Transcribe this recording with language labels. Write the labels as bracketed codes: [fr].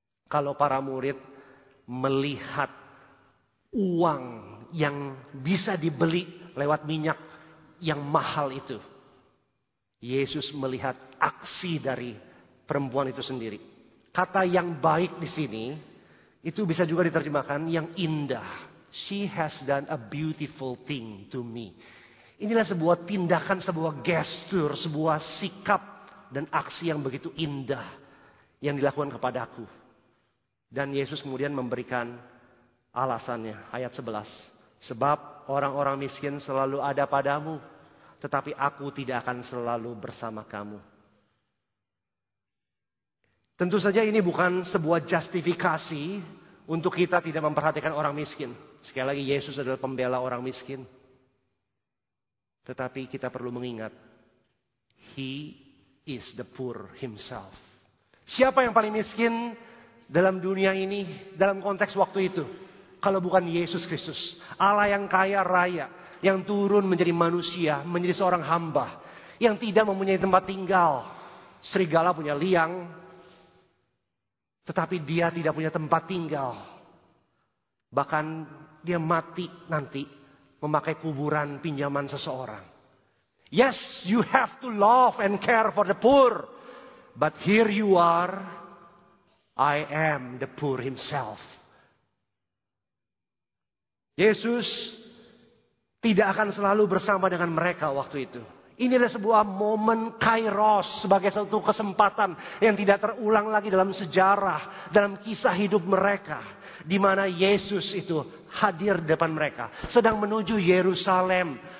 [id] Kalau para murid melihat uang yang bisa dibeli lewat minyak yang mahal itu, Yesus melihat aksi dari perempuan itu sendiri. Kata yang baik di sini, itu bisa juga diterjemahkan yang indah. [en] She has done a beautiful thing to me. [id] Inilah sebuah tindakan, sebuah gesture, sebuah sikap dan aksi yang begitu indah yang dilakukan kepadaku. Dan Yesus kemudian memberikan alasannya, ayat 11. Sebab orang-orang miskin selalu ada padamu, tetapi aku tidak akan selalu bersama kamu. Tentu saja ini bukan sebuah justifikasi untuk kita tidak memperhatikan orang miskin. Sekali lagi, Yesus adalah pembela orang miskin. Tetapi kita perlu mengingat, [en] He is the poor himself. [id] Siapa yang paling miskin dalam dunia ini, dalam konteks waktu itu? Kalau bukan Yesus Kristus, Allah yang kaya raya, yang turun menjadi manusia, menjadi seorang hamba, yang tidak mempunyai tempat tinggal. Serigala punya liang, tetapi dia tidak punya tempat tinggal. Bahkan dia mati nanti memakai kuburan pinjaman seseorang. [en] Yes, you have to love and care for the poor. But here you are, I am the poor himself. [id] Yesus tidak akan selalu bersama dengan mereka waktu itu. Ini adalah sebuah momen kairos sebagai satu kesempatan yang tidak terulang lagi dalam sejarah, dalam kisah hidup mereka. Di mana Yesus itu hadir depan mereka. Sedang menuju Yerusalem.